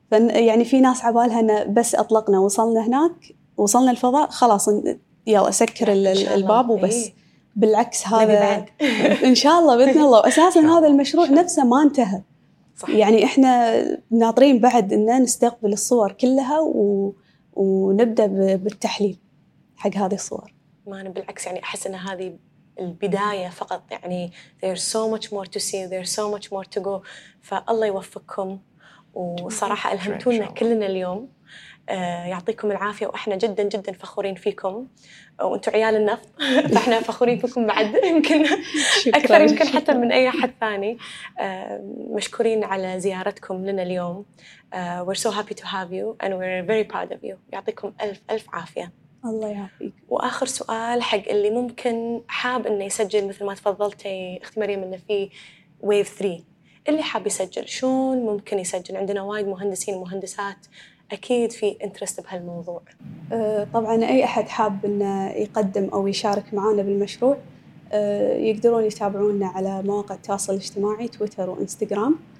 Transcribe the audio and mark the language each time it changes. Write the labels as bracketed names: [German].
[Arabic] يعني في ناس عبالها ان بس اطلقنا وصلنا هناك وصلنا الفضاء خلاص يلا سكر الباب وبس. بالعكس هذا ان شاء الله باذن الله. واساسا هذا المشروع نفسه ما انتهى، يعني احنا ناطرين بعد ان نستقبل الصور كلها ونبدا بالتحليل حق هذه الصور. ما انا بالعكس يعني احس ان هذه البدايه فقط، يعني [English] there's so much more to see, there's so much more to go. [Arabic] فالله يوفقكم، وصراحه الهمتونا كلنا اليوم. يعطيكم العافيه، واحنا جدا جدا فخورين فيكم، وانتم عيال النفط فاحنا فخورين فيكم بعد يمكن اكثر يمكن حتى من اي احد ثاني. مشكورين على زيارتكم لنا اليوم. [English] We're so happy to have you and we're very proud of you. [Arabic] يعطيكم الف الف عافيه. الله يعافيك. واخر سؤال حق اللي ممكن حاب انه يسجل مثل ما تفضلتي اختي مريم انه في ويف 3، اللي حاب يسجل شلون ممكن يسجل؟ عندنا وايد مهندسين ومهندسات اكيد في انترست بهالموضوع. طبعا اي احد حاب انه يقدم او يشارك معنا بالمشروع يقدرون يتابعونا على مواقع التواصل الاجتماعي تويتر وانستغرام.